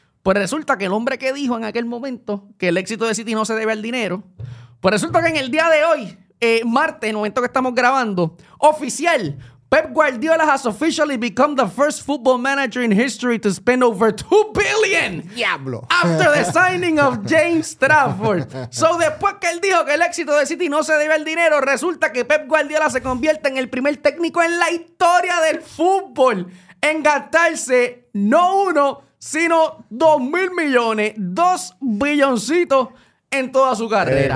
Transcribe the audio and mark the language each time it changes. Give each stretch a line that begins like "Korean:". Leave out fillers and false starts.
Spanish: Pues resulta que el hombre que dijo en aquel momento que el éxito de City no se debe al dinero, pues resulta que en el día de hoy, martes, en el momento que estamos grabando, oficial,
English: Pep Guardiola has officially become the first football manager in history to spend over $2 billion.
Spanish: Diablo.
English: After the signing of James Trafford.
Spanish: So, después que él dijo que el éxito de City no se debe al dinero, resulta que Pep Guardiola se convierte en el primer técnico en la historia del fútbol en gastarse no uno, sino $2 billion, $2 billioncitos en toda su carrera.